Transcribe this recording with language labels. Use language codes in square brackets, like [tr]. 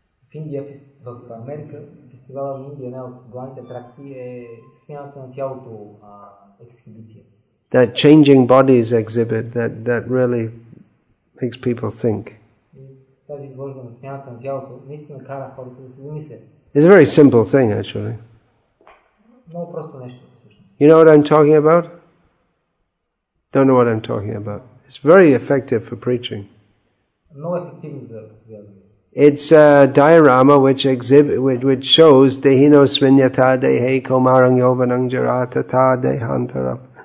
[bg] В Индия, в Америка, фестивалът на Индия, една от главните атракции е смяната на тялото екзибиция. [en] That Changing Bodies exhibit that really makes people think. [bg] Тази изложба на смяната на тялото наистина кара хората да се замислят. [en] It's a very simple thing, actually. [bg] Много просто нещо. [en] You know what I'm talking about? Don't know what I'm talking about. It's very effective for preaching. [bg] Много ефективно за [en] It's a diorama which shows [sa] Dehino Svinyata Dehe Komarang Yovanang Jarata Ta Dehantarap.